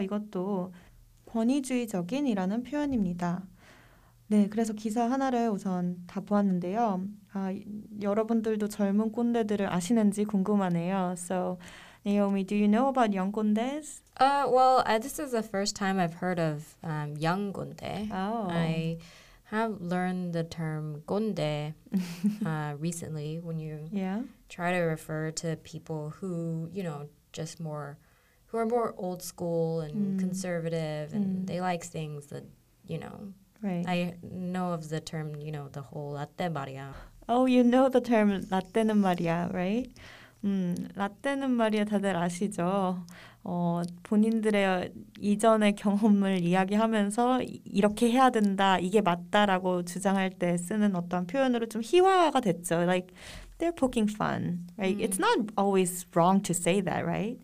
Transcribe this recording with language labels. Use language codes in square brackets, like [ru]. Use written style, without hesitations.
[ko] 이것도 권위주의적인이라는 표현입니다. 네, 그래서 기사 하나를 우선 다 보았는데요. 여러분들도 젊은 꼰대들을 아시는지 궁금하네요. [en] So, Naomi, do you know about young 꼰대s? This is the first time I've heard of young 꼰대. Oh. I have learned the term 꼰대 recently when you try to refer to people who, you know, just more, who are more old school and conservative and they like things that, you know. Right. I know of the term, you know, the whole 라떼 말이야. Oh, you know the term 라떼는 말이야, right? [ko] 라떼는 말이야 다들 아시죠? 본인들의 이전의 경험을 이야기하면서 이렇게 해야 된다, 이게 맞다라고 주장할 때 쓰는 어떤 표현으로 좀 희화화가 됐죠. [en] Like, they're poking fun, right? It's not always wrong to say that, right?